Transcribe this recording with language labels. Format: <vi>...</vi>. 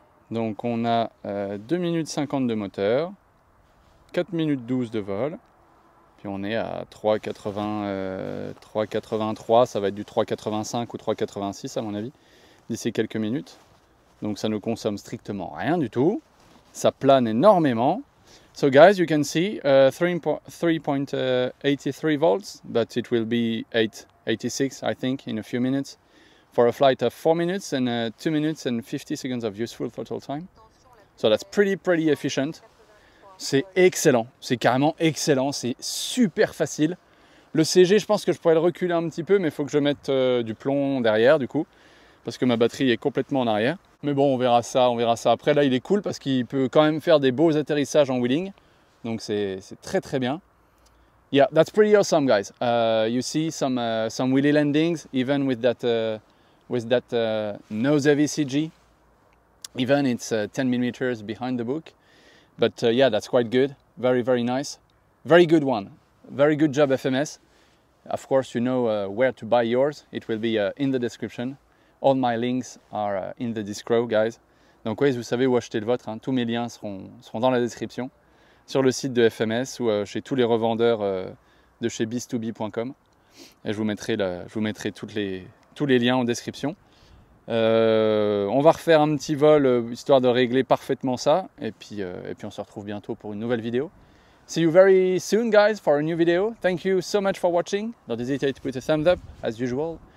<fr>Donc, on a 2 minutes 50 de moteur, 4 minutes 12 de vol. Puis on est à 3,83. Ça va être du 3,85 ou 3,86 à mon avis, d'ici quelques minutes. Donc, ça ne consomme strictement rien du tout. Ça plane énormément.</fr> <en>So guys, you can see 3.83 volts, but it will be 8.86, I think, in a few minutes for a flight of 4 minutes and 2 minutes and 50 seconds of useful total time. So that's pretty, pretty efficient.</en> <fr>C'est excellent. C'est carrément excellent. C'est super facile. Le CG, je pense que je pourrais le reculer un petit peu, mais il faut que je mette du plomb derrière, du coup, parce que ma batterie est complètement en arrière. Mais bon, on verra ça après. Là, il est cool parce qu'il peut quand même faire des beaux atterrissages en wheeling. Donc, c'est très, très bien.</fr> <en>Yeah, that's pretty awesome, guys. You see some wheelie landings, even with that nose heavy CG. Even it's 10 millimeters behind the book. But yeah, that's quite good. Very, very nice. Very good one. Very good job, FMS. Of course, you know where to buy yours. It will be in the description. All my links are in the description, guys.</en> <fr>Donc oui, vous savez où acheter le vôtre. Hein. Tous mes liens seront dans la description, sur le site de FMS ou chez tous les revendeurs de chez beast2b.com. Et je vous mettrai tous les liens en description. On va refaire un petit vol histoire de régler parfaitement ça. Et puis on se retrouve bientôt pour une nouvelle vidéo.</fr> <en>See you very soon, guys, for a new video. Thank you so much for watching. Don't hesitate to put a thumbs up, as usual.</en>